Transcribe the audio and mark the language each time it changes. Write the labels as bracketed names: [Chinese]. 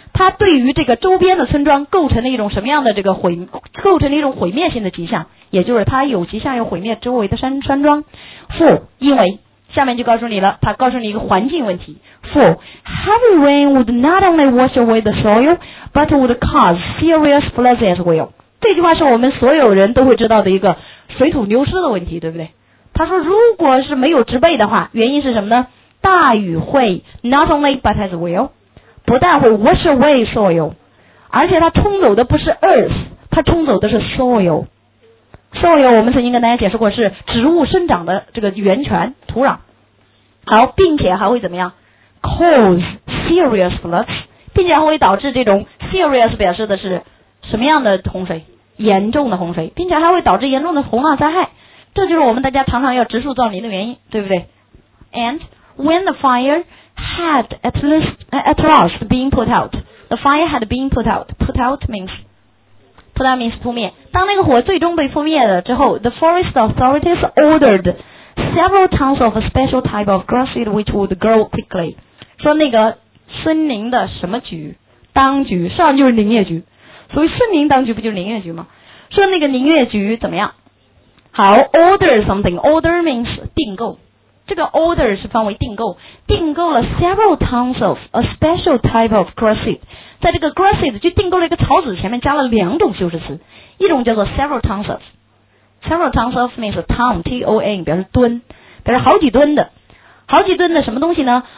[Chinese] 它对于这个周边的村庄构成了一种什么样的这个毁，构成了一种毁灭性的迹象，也就是它有迹象又毁灭周围的山庄。 [English] For [Chinese] 因为，下面就告诉你了，它告诉你一个环境问题。 [English] For heavy rain would not only wash away the soil, but would cause serious floods as well。 [Chinese] 这句话是我们所有人都会知道的一个水土流失的问题，对不对？他说如果是没有植被的话，原因是什么呢？大雨会 [English] not only but as well [Chinese] 不但会 [English] wash away soil， [Chinese] 而且它冲走的不是 earth， 它冲走的是 soil。 soil 我们曾经跟大家解释过是植物生长的这个源泉土壤。好，并且还会怎么样？ [English] cause serious floods， [Chinese] 并且还会导致这种 serious 表示的是什么样的洪水？严重的洪水，并且还会导致严重的洪涝灾害。这就是我们大家常常要植树造林的原因，对不对？ [English] And when the fire had at last been put out, the fire had been put out. Put out means [Chinese] 扑灭。当那个火最终被扑灭了之后， [English] the forest authorities ordered several tons of a special type of grass seed which would grow quickly. [Chinese] 说那个森林的什么局，当局，实际上就是林业局。所以森林当局不就是林业局吗？说那个林业局怎么样？好， [English] order something， order means [Chinese] 订购，这个 order 是分为订购，订购了 [English] several tons of a special type of grass seed， [Chinese] 在这个 grass seed 就订购了一个草籽，前面加了两种修饰词，一种叫做 [English] several tons of， several tons of means ton， [Chinese] T-O-N 表示吨，表示好几吨的，好几吨的什么东西呢？